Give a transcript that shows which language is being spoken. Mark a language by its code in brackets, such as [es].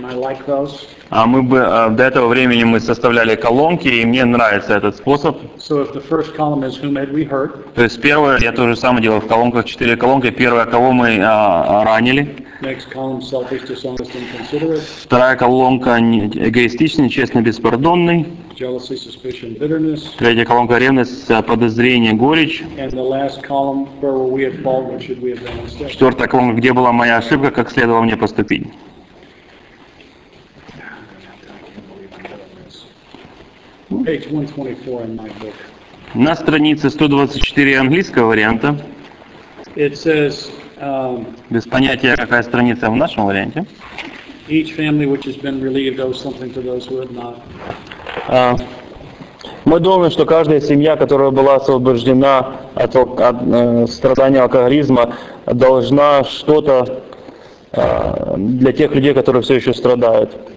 [ru] До этого времени мы составляли колонки, и мне нравится этот способ. [en] So if the first column is whom had we hurt? [ru] То есть первое, я то же самое делал в колонках, четыре колонки. Первое, кого мы ранили. [en] Next column, selfish, dishonest, inconsiderate. [ru] Вторая колонка, эгоистичный, честный, беспардонный. [en] Jealousy, suspicion, bitterness. [ru] Третья колонка, ревность, подозрение, горечь. Четвертая колонка, где была моя ошибка, как следовало мне поступить. [en] Page 124 in my book. [ru] На странице 124 английского варианта. [en] It says. [ru] Без понятия, какая страница в нашем варианте. [en] Each family which has been relieved owes something to those who have not. [ru] Мы думаем, что каждая семья, которая была освобождена от страдания алкоголизма, должна что-то для тех людей, которые все еще страдают.